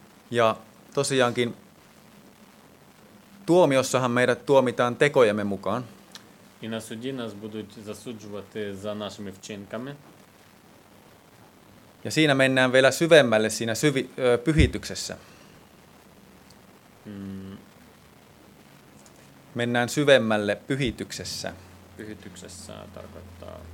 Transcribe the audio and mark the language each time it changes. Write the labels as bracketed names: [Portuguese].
[Finnish] Ja tosiaankin tuomiossahan meidät tuomitaan tekojemme mukaan. [Ukrainian] І на суді нас будуть засуджувати за нашими вчинками. [Finnish] Ja siinä mennään vielä syvemmälle siinä pyhityksessä. Mennään syvemmälle pyhityksessä. Pyhityksessä tarkoittaa